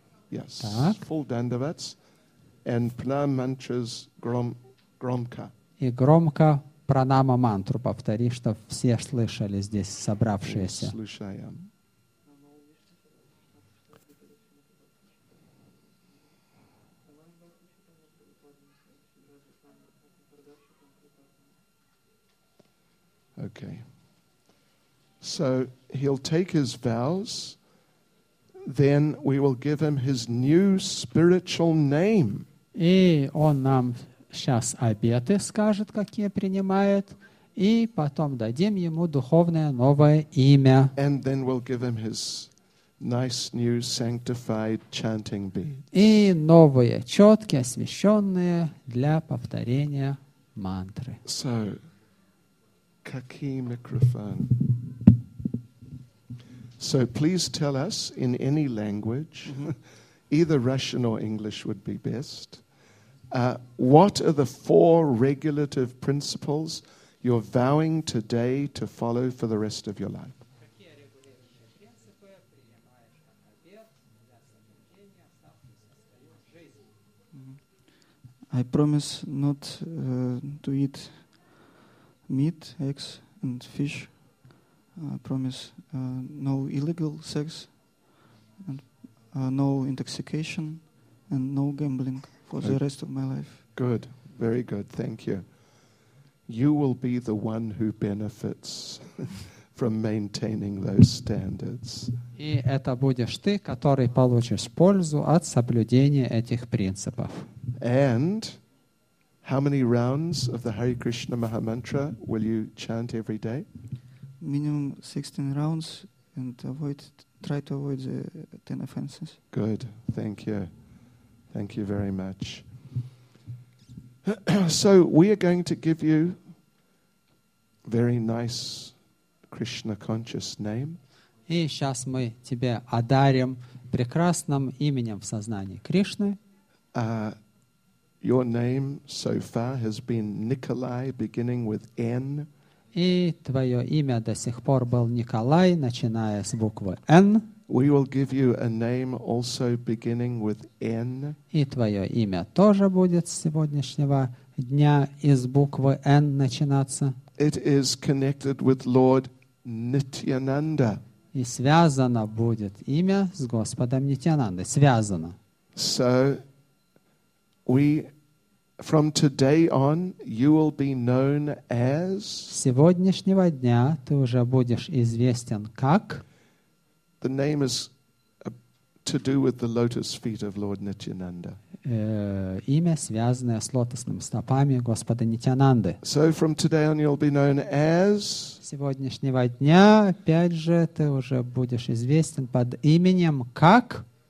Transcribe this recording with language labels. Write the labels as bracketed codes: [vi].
[en] Yes. [ru] Так. [en] Full dandavats and pranam mantras [ru] громко. И громко пранама мантру повтори, что все слышали здесь собравшиеся. Слушаем. [en] Okay. So he'll take his vows, then we will give him his new spiritual name. [ru] И он нам сейчас обеты скажет, какие принимает, и потом дадим ему духовное новое имя. [en] And then we'll give him his nice new sanctified chanting beads. [ru] И новые четки, освященные для повторения мантры. [en] So, kaki [ru] микрофон. [en] So, please tell us in any language, either Russian or English would be best, what are the four regulative principles you're vowing today to follow for the rest of your life? I promise not to eat meat, eggs, and fish promise no illegal sex, and no intoxication, and no gambling for the rest of my life. Good. Very good. Thank you. You will be the one who benefits from maintaining those standards. [ru] И это будешь ты, который получишь пользу от соблюдения этих принципов. [en] And how many rounds of the Hare Krishna Maha Mantra will you chant every day? Minimum 16 rounds and try to avoid the 10 offenses. Good. Thank you. Thank you very much. So we are going to give you very nice Krishna conscious name. [ru] И сейчас мы тебя одарим прекрасным именем в сознании Кришны. [en] Your name so far has been Nikolai, beginning with N. [ru] И твое имя до сих пор был Николай, начиная с буквы N. [en] We will give you a name also beginning with N. [ru] И твое имя тоже будет с сегодняшнего дня из буквы N начинаться. [en] It is connected with Lord Nityananda. [ru] И связано будет имя с Господом Нитьянандой. Связано. [en] So, we, from today on, you will be known as... [ru] С сегодняшнего дня ты уже будешь известен как... [en] The name is to do with the lotus feet of Lord Nityananda. [ru] Имя, связанное с лотосными стопами Господа Нитьянанды. [en] So from today on you'll be known as... [ru] С сегодняшнего дня, опять же, ты уже будешь известен под именем как...